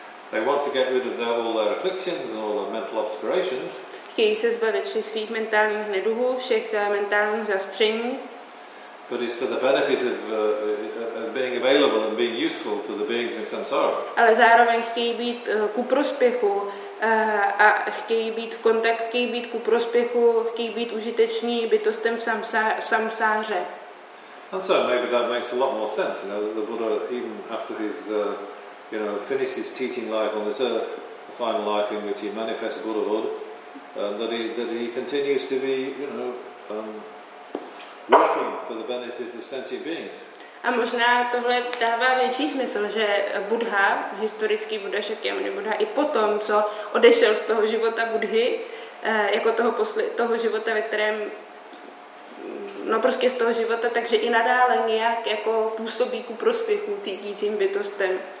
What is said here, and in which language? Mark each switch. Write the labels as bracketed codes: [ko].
[en] They want to get rid of all their afflictions and all their mental obscurations. [cs] Chtějí se zbavit všech svých mentálních neduhů, všech mentálních zastření. [en] But it's for the benefit of being available and being useful to the beings in samsara. [cs] Ale zároveň chtějí být ku prospěchu a chtějí být v kontaktu, chtějí být ku prospěchu, chtějí být užiteční bytostem v samsáře. [en] And so maybe that makes a lot more sense, you know, that the Buddha, even after his, you know, finished his teaching life on this earth, the final life in which he manifests Buddhahood, that he continues to be, you know, working for the benefit of sentient beings. [cs] A možná tohle dává větší smysl, že Buddha, historický Buddha Shakyamuni Buddha, i potom, co odešel z toho života Buddhy, jako toho života, ve kterém no prostě z toho života, takže i nadále nějak jako působí ku prospěchu cítícím bytostem.